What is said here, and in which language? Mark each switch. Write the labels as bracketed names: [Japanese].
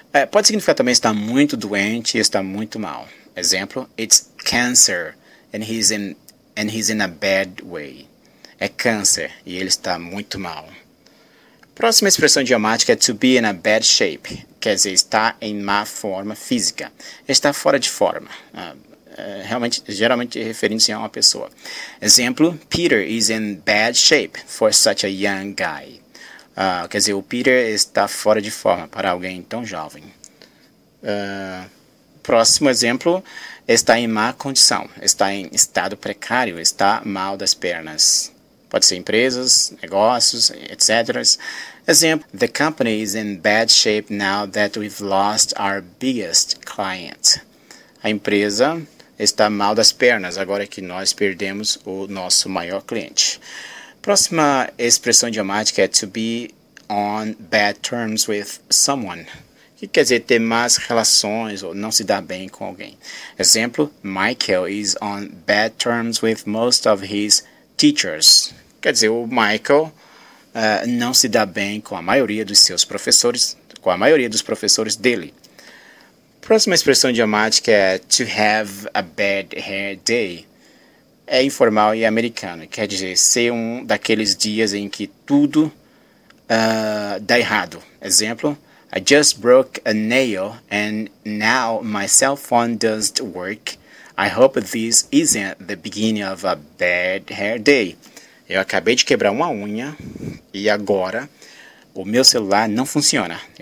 [Portuguese] Pode significar também estar muito doente e estar muito mal. [English] Exemplo: It's cancer and he's in a bad way. [Portuguese] É câncer e ele está muito mal. Próxima expressão idiomática é to be in a bad shape, quer dizer, estar em má forma física. Está fora de forma. Realmente, geralmente referindo-se a uma pessoa. [English] Exemplo: Peter is in bad shape for such a young guy. [Portuguese] Quer dizer, o Peter está fora de forma para alguém tão jovem. Próximo exemplo: está em má condição, está em estado precário, está mal das pernas. Pode ser empresas, negócios, etc. [English] Exemplo: The company is in bad shape now that we've lost our biggest client. [Portuguese] A empresa está mal das pernas agora que nós perdemos o nosso maior cliente. Próxima expressão idiomática é to be on bad terms with someone, que quer dizer ter más relações ou não se dar bem com alguém. [English] Exemplo: Michael is on bad terms with most of his teachers. [Portuguese] Quer dizer, o Michael não se dá bem com a maioria dos seus professores, com a maioria dos professores dele. Próxima expressão idiomática é to have a bad hair day. É informal e americano, quer dizer, ser um daqueles dias em que tudo dá errado. [English] Exemplo: I just broke a nail and now my cell phone doesn't work. I hope this isn't the beginning of a bad hair day. [Portuguese] Eu acabei de quebrar uma unha e agora o meu celular não funciona.